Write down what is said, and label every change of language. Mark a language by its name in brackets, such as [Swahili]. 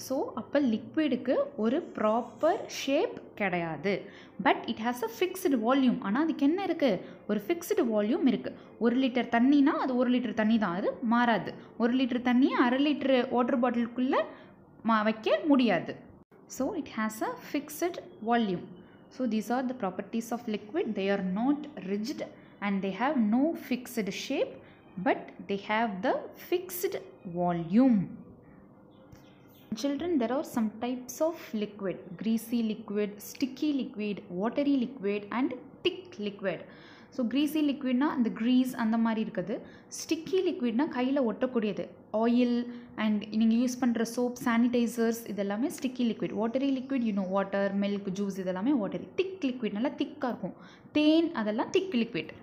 [Tamil] So அப்போ லிக்விடுக்கு ஒரு proper shape கிடையாது, [English] But it has a fixed volume. [Tamil] ஆனால் அதுக்கு என்ன இருக்குது? ஒரு ஃபிக்ஸ்டு வால்யூம் இருக்குது. ஒரு லிட்டர் தண்ணினா அது ஒரு லிட்டர் தண்ணி தான், அது மாறாது. ஒரு லிட்டர் தண்ணியை அரை லிட்டரு வாட்டர் பாட்டிலுக்குள்ளே வைக்க முடியாது. [English] So it has a fixed volume. So these are the properties of liquid. They are not rigid and they have no fixed shape, but they have the fixed volume. Children, there are some types of liquid: greasy liquid, sticky liquid, watery liquid and thick liquid. [Tamil] So greasy லிக்விட்னா அந்த grease அந்த மாதிரி இருக்குது. Sticky லிக்விட்னா கையில் ஒட்டக்கூடியது, oil and நீங்கள் use பண்ணுற soap, sanitisers, இதெல்லாமே sticky liquid. Watery liquid, you know, water, milk, juice, இதெல்லாமே watery. திக் liquid, நல்லா திக்காக இருக்கும், தேன், அதெல்லாம் திக் லிக்விட்.